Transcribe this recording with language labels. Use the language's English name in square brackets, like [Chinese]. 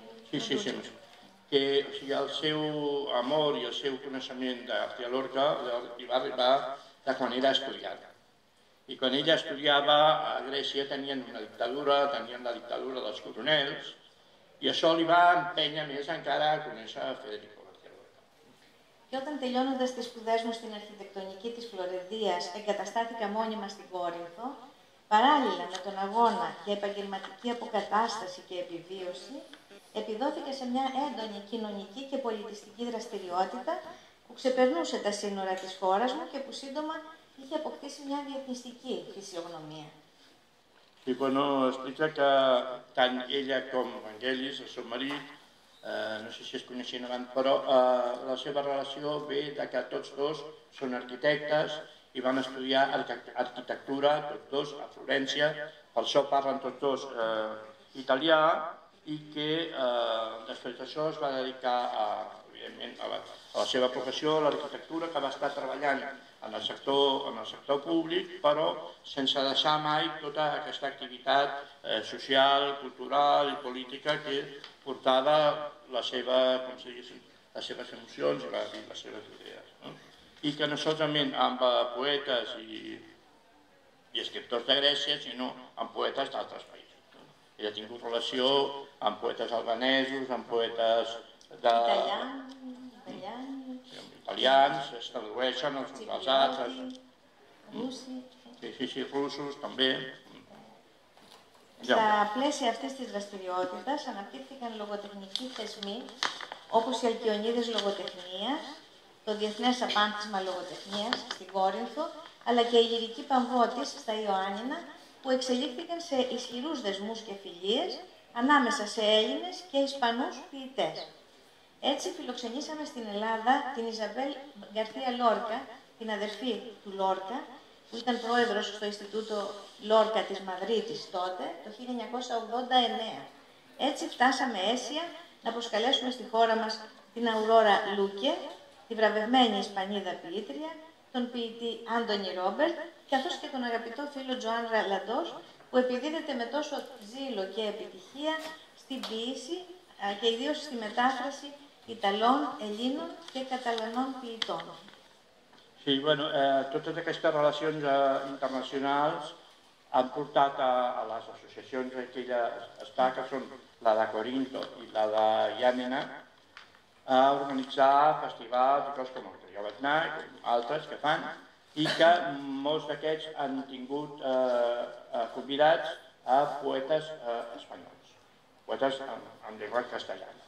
[Greek] Και για το [Catalan] seu amor y el seu coneixement de García Lorca li va arribar de quan era estudiant. I quan ella estudiava a Grècia tenien una dictadura, tenien la dictadura dels coronels, i això li va empènyer més encara a conèixer a Federico García Lorca. [Greek] Και όταν τελειώνοντας τις σπουδές μου στην αρχιτεκτονική της Φλωρεντίας, εγκαταστάθηκα μόνιμα στην Κόρινθο, παράλληλα με τον αγώνα για επαγγελματική αποκατάσταση και επιβίωση, επιδόθηκε σε μια έντονη κοινωνική και πολιτιστική δραστηριότητα που ξεπερνούσε τα σύνορα της χώρας μου και που σύντομα είχε αποκτήσει μια διεθνιστική φυσιογνωμία. [Catalan] Λοιπόν, explica que tant ella com ο Βαγγέλης, el seu marit, no sé si es coneixien abans, però la seva relació ve de que tots dos són arquitectes i van estudiar arquitectura tots dos a Florència, per això parlen tots dos italià, i que després d'això es va dedicar a la seva professió, a l'arquitectura, que va estar treballant en el sector públic, però sense deixar mai tota aquesta activitat social, cultural i política que portava les seves emocions i les seves idees. No? I que no solament amb poetes i escriptors de Grècia, sinó amb poetes d'altres països. I ha tingut relació amb poetes albanesos, amb poetes de... Italians, es tradueixen els uns als altres. Russi. Sí, russos també. [Greek] Στα πλαίσια αυτής της δραστηριότητας αναπτύχθηκαν λογοτεχνικοί θεσμοί όπως οι Αλκιονίδες Λογοτεχνίας, το Διεθνές Απάνθισμα Λογοτεχνίας στην Κόρινθο, αλλά και η Λυρική Παμβώτης στα Ιωάννινα, που εξελίχθηκαν σε ισχυρούς δεσμούς και φιλίες ανάμεσα σε Έλληνες και Ισπανούς ποιητές. Έτσι φιλοξενήσαμε στην Ελλάδα την Ιζαμπέλ Γκαρθία Λόρκα, την αδερφή του Λόρκα, που ήταν πρόεδρος στο Ινστιτούτο Λόρκα της Μαδρίτης τότε, το 1989. Έτσι φτάσαμε αίσια να προσκαλέσουμε στη χώρα μας την Αουρόρα Λούκε, τη βραβευμένη Ισπανίδα ποιήτρια, τον ποιητή Άντωνη Ρόμπερτ, καθώς και τον αγαπητό φίλο Τζοάν Ραλαντός, που επιδίδεται με τόσο ζήλο και επιτυχία στην ποιήση και ιδίως στη μετάφραση Ιταλών, Ελλήνων και Καταλανών ποιητών. [Catalan] Sí, bueno, totes aquestes relacions internacionals han portat a les associacions que ella està, que són la de Corinto i la de Llàmena, a organitzar festivals i coses com el Trio Batnac, altres que fan, i que molts d'aquests han tingut convidats a poetes espanyols, poetes en llengua castellana.